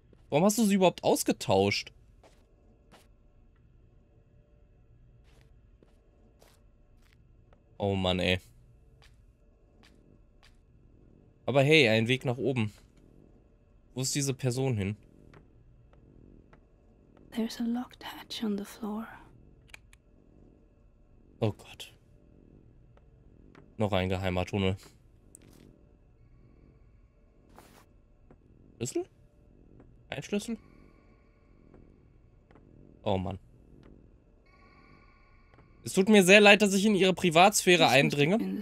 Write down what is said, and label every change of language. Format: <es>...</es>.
<de>Warum hast du sie überhaupt ausgetauscht? Oh Mann, ey. Aber hey, ein Weg nach oben. Wo ist diese Person hin?</de> <en>There's a locked hatch on the floor.</en> <de>Oh Gott. Noch ein geheimer Tunnel. Schlüssel? Ein Schlüssel? Oh Mann. Es tut mir sehr leid, dass ich in ihre Privatsphäre eindringe.</de>